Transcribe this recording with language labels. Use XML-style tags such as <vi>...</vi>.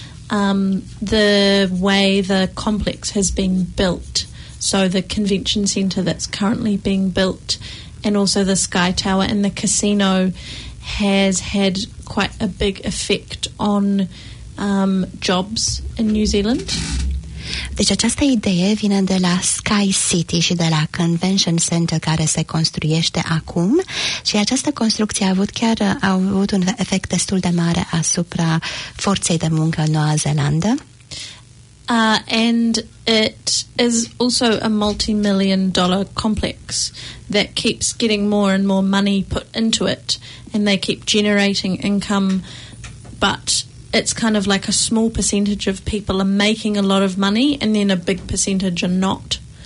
<en>The way the complex has been built, so the convention centre that's currently being built and also the Sky Tower and the casino has had quite a big effect on jobs in New Zealand.</en> <ro>Deci această idee vine de la Sky City și de la Convention Center care se construiește acum și această construcție a avut un efect destul de mare asupra forței de muncă în Noua Zeelandă.</ro> <en>And it is also a multi-million dollar complex that keeps getting more and more money put into it and they keep generating income, but it's kind of like a small percentage of people are making a lot of money and then a big percentage are not.</en>